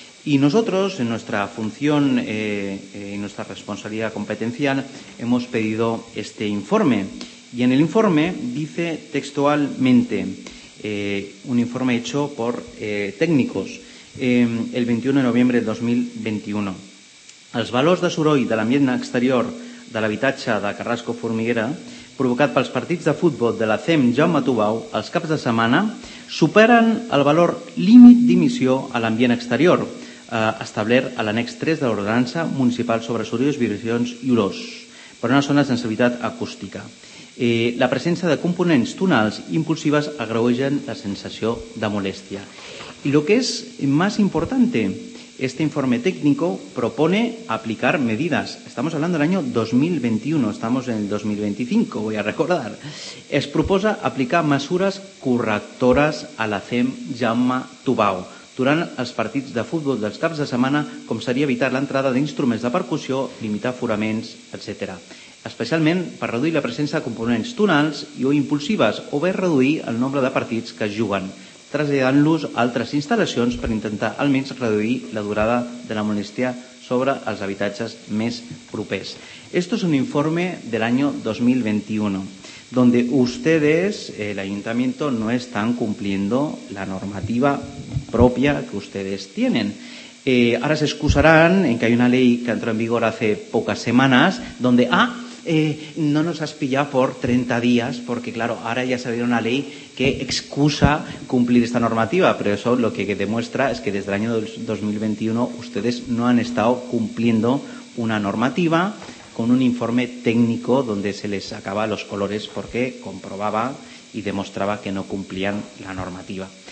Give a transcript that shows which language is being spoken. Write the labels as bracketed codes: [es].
[es] Y nosotros, en nuestra función y nuestra responsabilidad competencial, hemos pedido este informe. Y en el informe dice textualmente, un informe hecho por técnicos, el 21 de noviembre de 2021. [ca] Els valors de soroll de l'ambient exterior de l'habitatge de Carrasco Formiguera, provocat pels partits de futbol de la CEM Jaume Tubau els caps de setmana, superen el valor límit d'emissió a l'ambient exterior, establert a l'annex 3 de l'ordenança municipal sobre sorolls, vibracions i olors, per una zona de sensibilitat acústica. La presència de components tonals impulsives agreugen la sensació de molèstia. I el que és més important, [es] este informe técnico propone aplicar medidas. Estamos hablando del año 2021, estamos en el 2025, voy a recordar. [ca] Es proposa aplicar mesures correctores a la CEM Jaume Tubau durant els partits de futbol dels caps de setmana, com seria evitar l'entrada d'instruments de percussió, limitar foraments, etc. Especialment per reduir la presència de components tonals i o impulsives o bé reduir el nombre de partits que es juguen, traslladant-los a altres instal·lacions per intentar almenys reduir la durada de la molèstia sobre els habitatges més propers. [es] Esto es un informe del año 2021, donde ustedes, el ayuntamiento, no están cumpliendo la normativa propia que ustedes tienen. Ahora se excusarán en que hay una ley que entró en vigor hace pocas semanas, donde no nos has pillado por 30 días, porque claro, ahora ya salió una ley que excusa cumplir esta normativa, pero eso lo que demuestra es que desde el año 2021 ustedes no han estado cumpliendo una normativa con un informe técnico donde se les sacaba los colores porque comprobaba y demostraba que no cumplían la normativa.